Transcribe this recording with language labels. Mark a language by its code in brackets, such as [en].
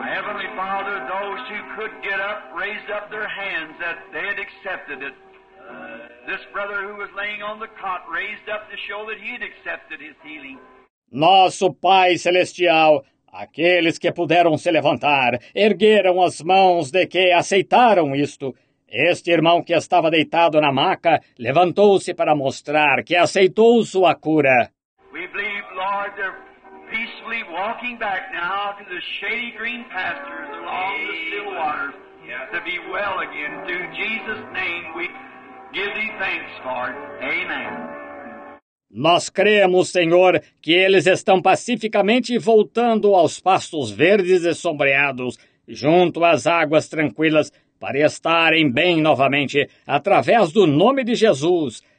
[en] Heavenly Father, those who could get up, raised up their hands that they had accepted it. This brother who was laying on the cot raised up to show that he had accepted his healing. [pt] Nosso Pai Celestial, aqueles que puderam se levantar, ergueram as mãos de que aceitaram isto. Este irmão que estava deitado na maca levantou-se para mostrar que aceitou sua cura. [en] We believe, Lord, they're peacefully walking back now to the shady green pastures along the still waters to be well again. Through Jesus' name, we give thee thanks, Lord. Amen. [pt] Nós cremos, Senhor, que eles estão pacificamente voltando aos pastos verdes e sombreados, junto às águas tranquilas, para estarem bem novamente, através do nome de Jesus.